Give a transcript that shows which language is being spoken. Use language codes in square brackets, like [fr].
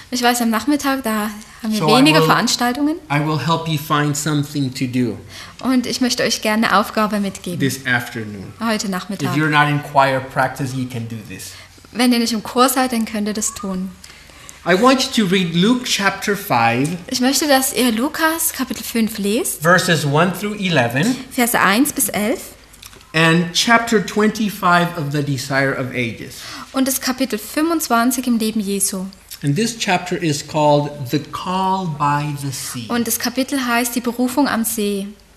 [de] Ich weiß, am Nachmittag da haben wir weniger Veranstaltungen. [en] I will help you find something to do. [de] Und ich möchte euch gerne eine Aufgabe mitgeben. [en] This afternoon. [de] Heute Nachmittag. [en] If you're not in choir practice, you can do this. [de] Wenn ihr nicht im Chor seid, dann könnt ihr das tun. [en] I want you to read Luke chapter 5. [de] Ich möchte, dass ihr Lukas Kapitel 5 lest. [en] Verses 1 through 11. [de] Verse 1 bis 11. [en] And chapter 25 of the Desire of Ages. [de] Und das Kapitel 25 im Leben Jesu. [en] And this chapter is called The Call by the Sea. [de] Und das Kapitel heißt Die Berufung am See.